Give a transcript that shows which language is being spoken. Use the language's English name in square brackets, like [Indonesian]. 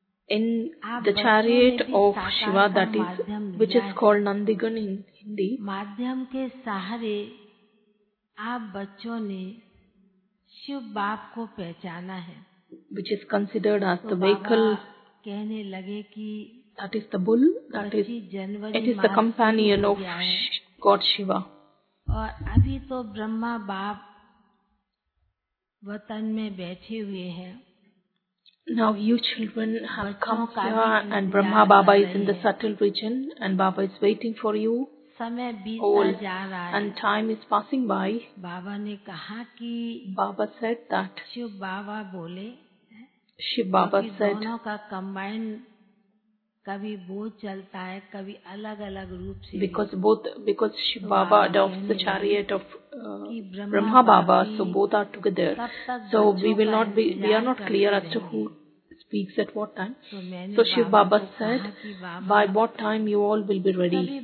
[English] In the chariot of Shiva, that is, which is called Nandigan in Hindi, [Hindi] माध्यम के सहारे आप बच्चों ने शिव बाप को पहचाना है [English] which is considered as the vehicle [Hindi] कहने लगे कि [English] that is the bull that is [Hindi] January [English] it is the companion of God Shiva [Hindi] और अभी तो ब्रह्मा बाप वतन में बैठे हुए हैं [English] now you children have come here and Brahma Baba is in the subtle region and Baba is waiting for you [Hindi] समय बीतता जा रहा है [English] And time is passing by. [Hindi] बाबा ने कहा कि [English] Baba said that [Hindi] शिव बाबा बोले [English] Shiv Baba said [Hindi] दोनों का कंबाइन कभी बोझ चलता है कभी अलग अलग रूप से [English] Because Shiv Baba adopts the chariot of Brahma Baba so both are together so we will not be we are not clear as to who speaks at what time. So Shiv Baba said, by what time you all will be ready?